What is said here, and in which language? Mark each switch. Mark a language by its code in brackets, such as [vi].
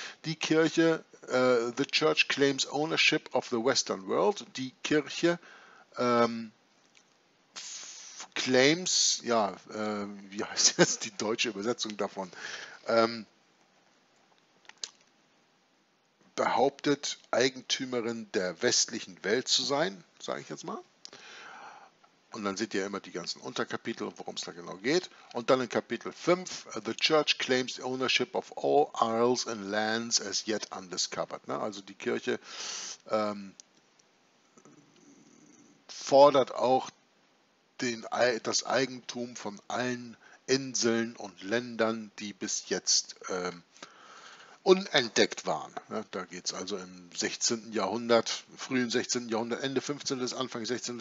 [de] Die Kirche, [en] the Church claims ownership of the Western World, [de] die Kirche claims, ja, wie heißt jetzt die deutsche Übersetzung davon, behauptet, Eigentümerin der westlichen Welt zu sein, sage ich jetzt mal. Und dann seht ihr immer die ganzen Unterkapitel, worum es da genau geht. Und dann in Kapitel 5, [en] The Church claims ownership of all isles and lands as yet undiscovered. [de] Also die Kirche fordert auch das Eigentum von allen Inseln und Ländern, die bis jetzt unentdeckt waren. Da geht es also im 16. Jahrhundert, frühen 16. Jahrhundert, Ende 15. Anfang 16.